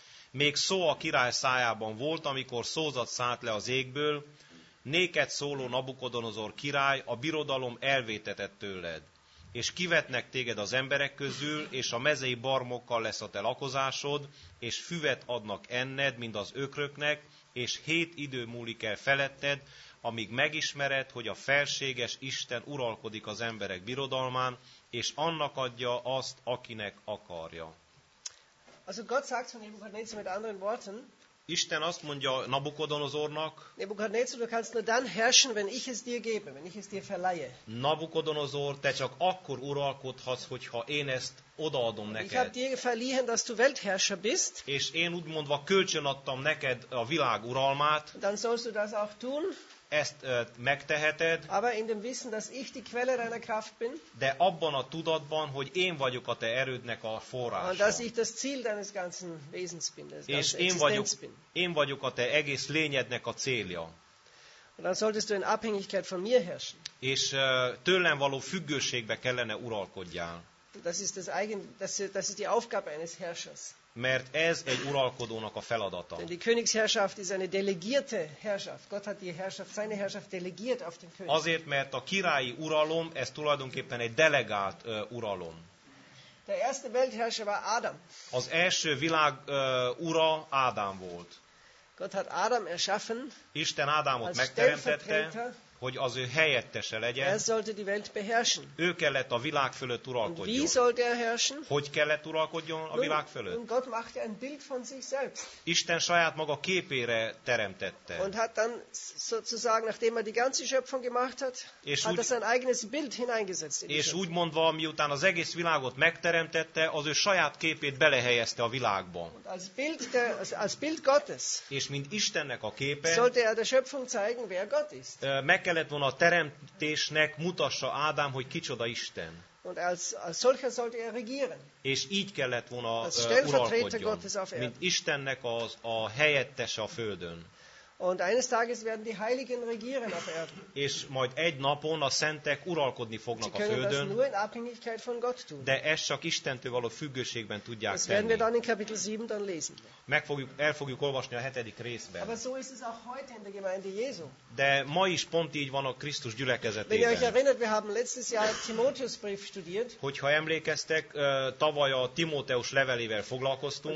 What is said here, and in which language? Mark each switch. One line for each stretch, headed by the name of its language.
Hungarian: Még szó a király szájában volt, amikor szózat szállt le az égből, néked szóló Nabukodonozor király, a birodalom elvétetett tőled, és kivetnek téged az emberek közül, és a mezei barmokkal lesz a te lakozásod, és füvet adnak enned, mint az ökröknek, és 7 idő múlik el feletted, amíg megismered, hogy a felséges Isten uralkodik az emberek birodalmán, és annak adja azt, akinek akarja.
German: Also Gott sagt von Nebukadnezar mit anderen Worten.
Hungarian: Isten azt mondja Nabukodonozornak.
German: Nebukadnezar, du kannst nur dann herrschen, wenn ich es dir gebe, wenn ich es dir verleihe.
Hungarian: Nabukodonozor, te csak akkor uralkodhatsz, hogyha én ezt odaadom neked.
German: Ich habe dir verliehen, dass du Weltherrscher bist.
Hungarian: És én úgymondva kölcsön adtam neked a világ uralmát.
German: Dann sollst du das auch tun.
Hungarian: Ezt megteheted.
German: Aber in dem Wissen, dass ich die Quelle deiner Kraft bin.
Hungarian: De abban a tudatban, hogy én vagyok a te erődnek a forrása.
German: Und dass ich das Ziel deines ganzen Wesens bin, deines ganzen Existenz
Hungarian: vagyok,
German: bin.
Hungarian: Én vagyok a te egész lényednek a célja.
German: Und dann solltest du in Abhängigkeit von mir herrschen.
Hungarian: És tőlem való függőségbe kellene uralkodjál.
German: Das ist die Aufgabe eines Herrschers.
Hungarian: Mert ez egy uralkodónak a feladata.
German: Denn die Königsherrschaft ist eine delegierte Herrschaft. Gott hat die Herrschaft, seine Herrschaft delegiert auf den König.
Hungarian: Azért, mert a királyi uralom, ez tulajdonképpen egy delegált uralom.
German: Der erste Weltherrscher war Adam.
Hungarian: Az első világ ura Ádám volt.
German: Gott hat Adam erschaffen.
Hungarian: Isten Ádámot megteremtette, hogy az ő helyettese legyen.
German: Er sollte die Welt beherrschen.
Hungarian: Ő kellett a világ fölött uralkodjon.
German: Wie sollte er herrschen?
Hungarian: Hogy kellett uralkodjon a világ fölött?
German: Und Gott machte ein Bild von sich selbst.
Hungarian: Isten saját maga képére teremtette.
German: Und hat dann sozusagen, nachdem er die ganze Schöpfung gemacht hat, hat er sein eigenes Bild hineingesetzt.
Hungarian: És úgy mondva, miután az egész világot megteremtette, az ő saját képét belehelyezte a világba.
German: Als Bild Gottes.
Hungarian: És mint Istennek a képe.
German: Sollte er der Schöpfung zeigen, wer Gott ist.
Hungarian: Kellett volna a teremtésnek mutassa Ádám, hogy kicsoda Isten.
German: Und als solcher sollte er regieren.
Hungarian: És így kellett volna uralkodjon, mint Istennek a helyettese a Földön.
German: Und eines Tages werden die Heiligen regieren auf Erden.
Hungarian: És majd egy napon a szentek uralkodni fognak
German: Sie
Hungarian: a Földön.
German: Können das nur in Abhängigkeit von Gott tun.
Hungarian: De ezt csak Istentől való függőségben tudják tenni.
German: Das werden wir dann in Kapitel 7 dann lesen.
Hungarian: El fogjuk olvasni a hetedik részben.
German: Aber so ist es auch heute in der Gemeinde Jesu.
Hungarian: De ma is pont így van a Krisztus gyülekezetében.
German: Wenn ihr euch erinnert, wir haben letztes Jahr Timotheusbrief studiert.
Hungarian: Hogyha emlékeztek, tavaly a Timóteus levelével foglalkoztunk.